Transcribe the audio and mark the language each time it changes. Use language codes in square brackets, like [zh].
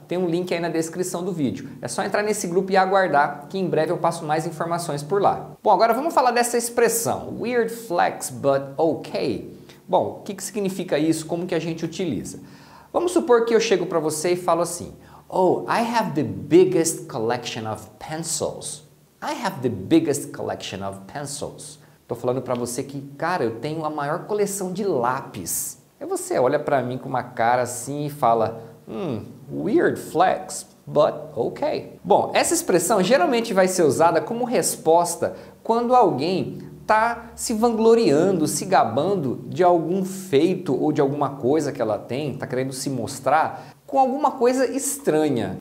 [pt] Tem um link aí na descrição do vídeo. É só entrar nesse grupo e aguardar, que em breve eu passo mais informações por lá. Bom, agora vamos falar dessa expressão. [en] Weird flex, but okay. [pt] Bom, o que significa isso? Como que a gente utiliza? Vamos supor que eu chego para você e falo assim. [en] Oh, I have the biggest collection of pencils. I have the biggest collection of pencils. [pt] Tô falando para você que, cara, eu tenho a maior coleção de lápis. Aí você olha para mim com uma cara assim e fala... [en] weird flex, but okay. [pt] Bom, essa expressão geralmente vai ser usada como resposta quando alguém está se vangloriando, se gabando de algum feito ou de alguma coisa que ela tem, está querendo se mostrar com alguma coisa estranha.